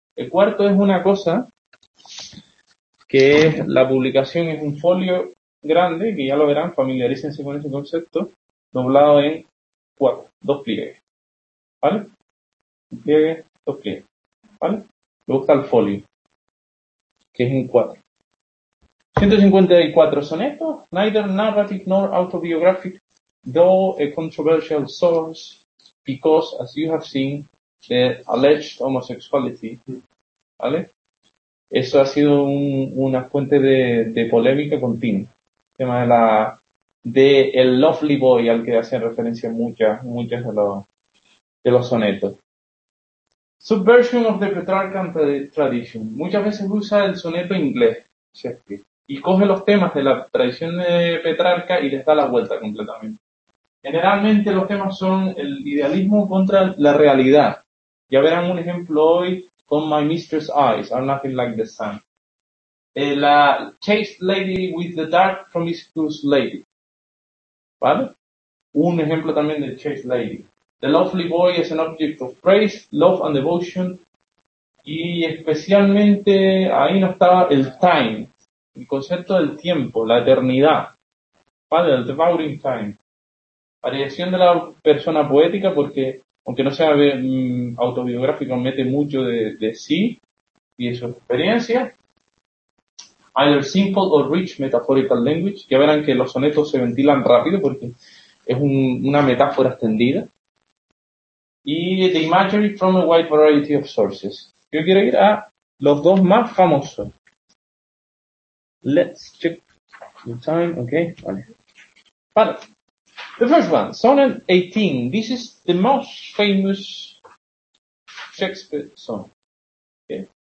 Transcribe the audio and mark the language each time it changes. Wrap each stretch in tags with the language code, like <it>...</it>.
<es>A quarto es una cosa que es la publicación, es un folio grande, que ya lo verán, familiarícense con ese concepto, doblado en cuatro, dos pliegues. ¿Vale? Un pliegue, dos pliegues. ¿Vale? Me gusta el folio, que es en cuatro.</es> <en>154 sonetos, neither narrative nor autobiographic, though a controversial source, because, as you have seen, the alleged homosexuality.</en> <es>¿Vale? Eso ha sido una fuente de polémica continua. El tema de la el lovely boy al que hacen referencia muchas de los sonetos.</es> <en>Subversion of the Petrarchan tradition.</en> <es>Muchas veces usa el soneto inglés, Shakespeare, y coge los temas de la tradición de Petrarca y les da la vuelta completamente. Generalmente los temas son el idealismo contra la realidad. Ya verán un ejemplo hoy con My Mistress Eyes Are Nothing Like the Sun.</es> <en>La chaste lady with the dark promiscuous lady.</en> <es>¿Vale? Un ejemplo también de chaste lady.</es> <en>The lovely boy is an object of praise, love and devotion.</en> <es>Y especialmente ahí no estaba el time, el concepto del tiempo, la eternidad. ¿Vale? El devouring time. Variación de la persona poética porque, aunque no sea autobiográfico, mete mucho de sí y de su experiencia.</es> <en>Either simple or rich metaphorical language.</en> <es>Ya verán que los sonetos se ventilan rápido porque es una metáfora extendida.</es> <en>Y the imagery from a wide variety of sources.</en> <es>Yo quiero ir a los dos más famosos.</es> <en>Let's check the time, okay?</en> <es>Vale. Vale.</es> <en>The first one, Sonnet 18. This is the most famous Shakespeare song. Okay?</en>